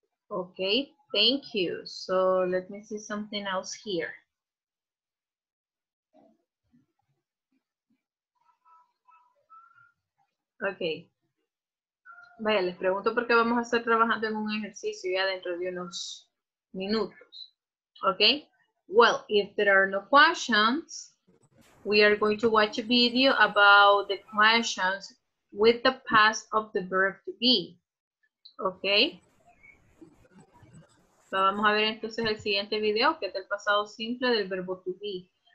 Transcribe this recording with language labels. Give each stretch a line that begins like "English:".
English: Okay. Thank you. So let me see something else here. Okay.
Spanish: Vaya, les pregunto porque vamos a estar trabajando en un ejercicio ya dentro de unos minutos.
English: Okay. Well, if there are no questions, we are going to watch a video about the questions with the past of the verb to be. Okay.
Spanish: Vamos a ver entonces el siguiente video, que es el pasado simple del verbo to be.